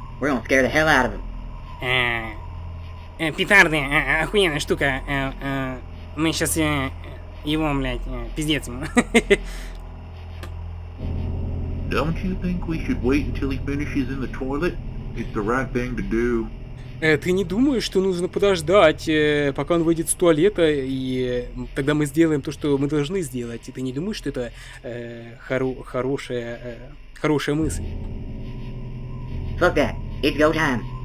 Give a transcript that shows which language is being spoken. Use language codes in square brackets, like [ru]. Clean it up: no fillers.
[en] We're gonna scare the hell out of him. [ru] Петарды, охуенная штука. Мы сейчас его, блядь, пиздец ему. [en] Don't you think we should wait until he finishes in the toilet? It's the right thing to do. [ru] Ты не думаешь, что нужно подождать, пока он выйдет с туалета, и тогда мы сделаем то, что мы должны сделать? И ты не думаешь, что это хорошая мысль? [en] Fuck that. It's go time.